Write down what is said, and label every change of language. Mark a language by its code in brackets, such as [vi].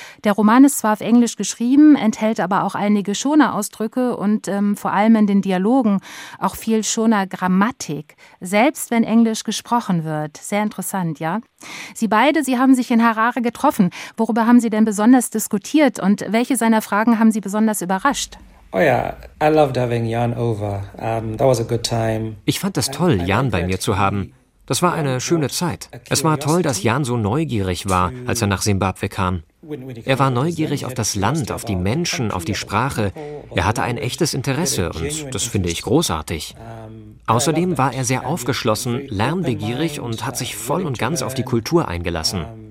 [de] Der Roman ist zwar auf Englisch geschrieben, enthält aber auch einige Shona-Ausdrücke und vor allem in den Dialogen auch viel Shona-Grammatik, selbst wenn Englisch gesprochen wird. Sehr interessant, ja? Sie beide, Sie haben sich in Harare getroffen. Worüber haben Sie denn besonders diskutiert und welche seiner Fragen haben Sie besonders überrascht? [en] Oh ja, I loved having Jan over. That was a good time. [de] Ich fand das toll, Jan bei mir zu haben. Das war eine schöne Zeit. Es war toll, dass Jan so neugierig war, als er nach Simbabwe kam. Er war neugierig auf das Land, auf die Menschen, auf die Sprache. Er hatte ein echtes Interesse und das finde ich großartig. Außerdem war er sehr aufgeschlossen, lernbegierig und hat sich voll und ganz auf die Kultur eingelassen.